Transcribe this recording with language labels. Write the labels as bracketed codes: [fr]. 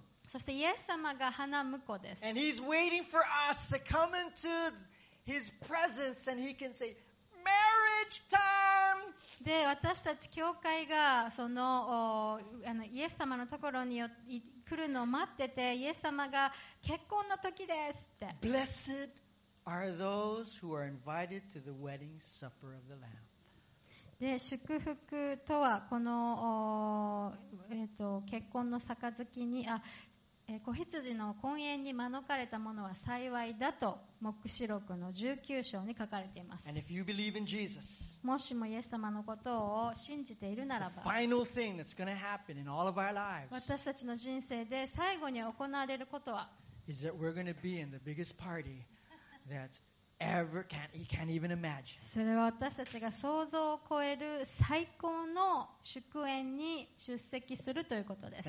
[ja] そしてイエス様が花婿です。 [en] And he's waiting for us to come into his presence and he can say,Marriage time! [ja] で私たち教会がそのイエス様のところに来るのを待ってて、イエス様が結婚の時ですって。 [en] Blessed are those who are invited to the wedding supper of the Lamb. [ja] で祝福とはこの結婚の杯に子羊の婚宴に招かれたものは幸いだと黙示録の19章に書かれています。 [en] And if you believe in Jesus, [ja] もしもイエス様のことを信じているならば、 [en] the final thing that's going to happen in all of our lives, [ja] 私たちの人生で最後に行われることは、 [en] is that we're going to be in the biggest party that ever can't even imagine. [ja] それは私たちが想像を超える最高の祝宴に出席するということです。